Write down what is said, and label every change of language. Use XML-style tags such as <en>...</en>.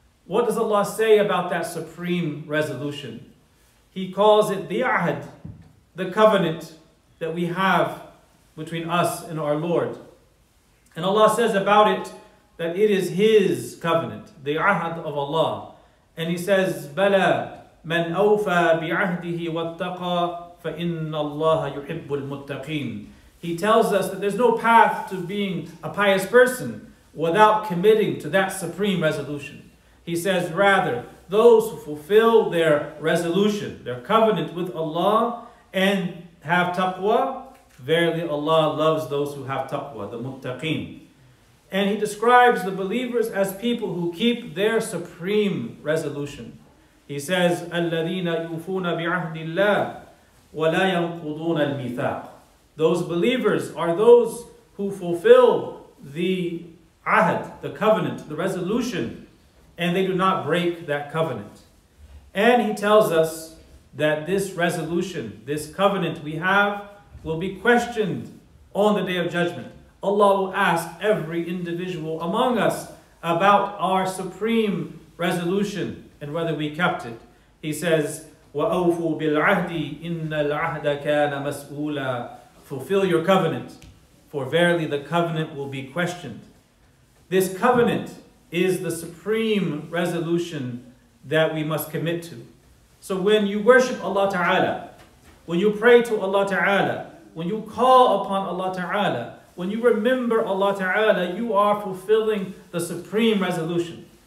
<en>What does Allah say about that supreme resolution? He calls it the Ahd, the covenant that we have between us and our Lord. And Allah says about it that it is His covenant, the Ahd of Allah. And He says,</en> <ar>بَلَى مَنْ أَوْفَى بِعَهْدِهِ وَاتَّقَى فَإِنَّ اللَّهَ يُحِبُّ الْمُتَّقِينَ.</ar> <en>He tells us that there's no path to being a pious person without committing to that supreme resolution. He says, rather, those who fulfill their resolution, their covenant with Allah, and have taqwa, verily Allah loves those who have taqwa, the muttaqeen. And he describes the believers as people who keep their supreme resolution. He says,</en> <ar>الَّذِينَ يُوفُونَ بِعَهْدِ اللَّهِ وَلَا يَنْقُضُونَ الْمِيثَاقِ.</ar> <en>Those believers are those who fulfill the ahd, the covenant, the resolution, and they do not break that covenant. And he tells us that this resolution, this covenant we have, will be questioned on the Day of Judgment. Allah will ask every individual among us about our supreme resolution and whether we kept it. He says,</en> <ar>وَأَوْفُوا بِالْعَهْدِ إِنَّ الْعَهْدَ كَانَ مَسْئُولًا.</ar> <en>Fulfill your covenant, for verily the covenant will be questioned. This covenant is the supreme resolution that we must commit to. So when you worship Allah Ta'ala, when you pray to Allah Ta'ala, when you call upon Allah Ta'ala, when you remember Allah Ta'ala, you are fulfilling the supreme resolution.</en>